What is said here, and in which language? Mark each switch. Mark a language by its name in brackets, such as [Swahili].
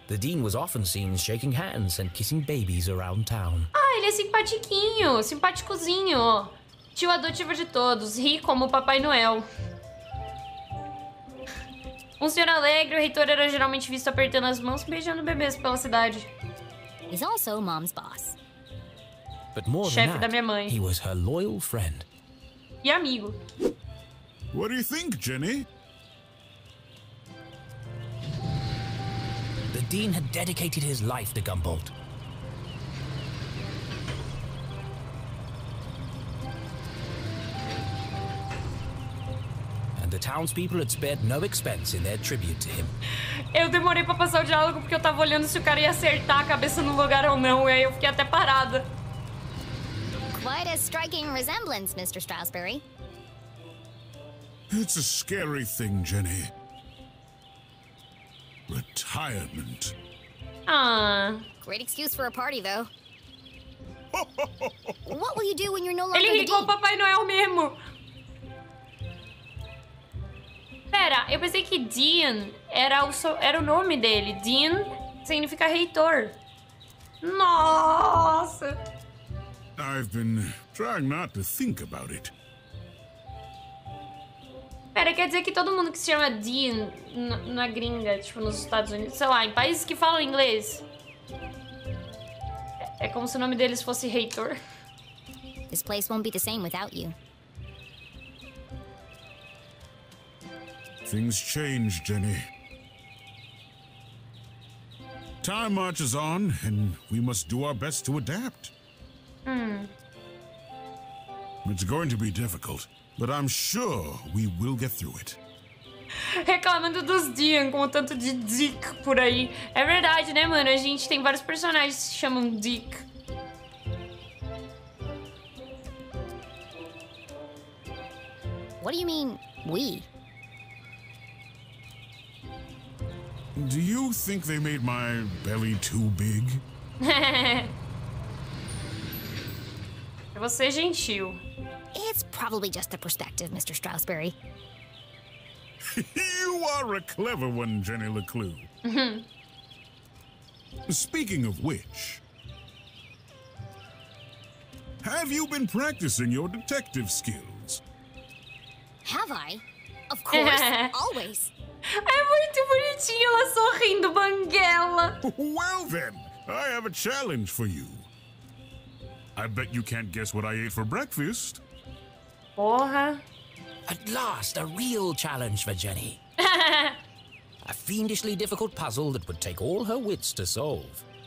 [English] The dean was often seen shaking hands and kissing babies around town. [Portuguese] Ah, ele é simpatiquinho, simpaticozinho. Tio adotivo de todos, ri como o Papai Noel. Um senhor alegre, o reitor era geralmente visto apertando as mãos e beijando bebês pela cidade. [English] He's also mom's boss. But more [Portuguese] chefe [English] than [Portuguese] da minha mãe. [English] He was her loyal friend. [Portuguese] E amigo. [English] What do you think, Jenny? The dean had dedicated his life to Gumbolt. And the townspeople had spared no expense in their tribute to him. [Portuguese] Eu demorei pra passar o diálogo porque eu tava olhando se o cara ia acertar a cabeça no lugar ou não, e aí eu fiquei até parada. [English] Quite a striking resemblance, Mr. Strawsberry. It's a scary thing, Jenny. Retirement. Great excuse for a party, though. What will you do when you're no longer the dean? [Portuguese] Ele ligou o Papai Noel mesmo. Pera, eu pensei que Dean era o nome dele. Dean significa reitor. Nossa! [English] I've been trying not to think about it. [Portuguese] Pera, quer dizer que todo mundo que se chama Dean na gringa, tipo nos Estados Unidos, sei lá, em países que falam inglês. É como se o nome deles fosse Reitor. [English] This place won't be the same without you. Things change, Jenny. Time marches on and we must do our best to adapt. It's going to be difficult, but I'm sure we will get through it. [Portuguese] Reclamando dos Dean com o tanto de Dick por aí. É verdade, né, mano? A gente tem vários personagens que se chamam Dick. [English] What do you mean, we? Do you think they made my belly too big? [Portuguese] Você é gentil. [English] It's probably just the perspective, Mr. Strawsberry. You are a clever one, Jenny LeClue. Speaking of which, have you been practicing your detective skills? Have I? Of course, always. [Portuguese] É muito bonitinho ela sorrindo, banguela. [English] Well then, I have a challenge for you. I bet you can't guess what I ate for breakfast. [Portuguese] Porra. [English] At last, a real challenge for Jenny. A fiendishly difficult puzzle that would take all her wits to solve.